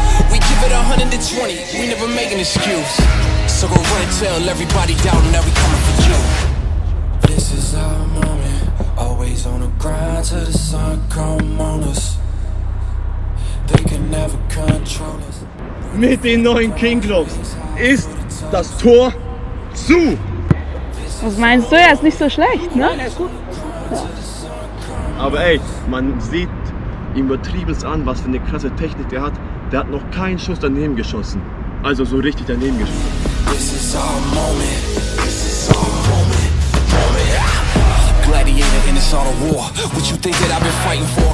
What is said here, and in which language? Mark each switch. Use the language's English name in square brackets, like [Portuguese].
[English] We give it 120, we never make an excuse. So go run and tell everybody doubting that we coming for you. This is our moment. Always on the grind till the sun come on us. They can never control us. [German] Mit den neuen King Gloves ist das Tor zu. Was meinst du? Er ist nicht so schlecht, ne? Nein, er ist gut. Ja. Aber ey, man sieht ihm übertriebenst an, was für eine krasse Technik der hat. Der hat noch keinen Schuss daneben geschossen. Also so richtig daneben geschossen. [English] This is our moment. Gladiator in the sort of war. What you think that I've been fighting for?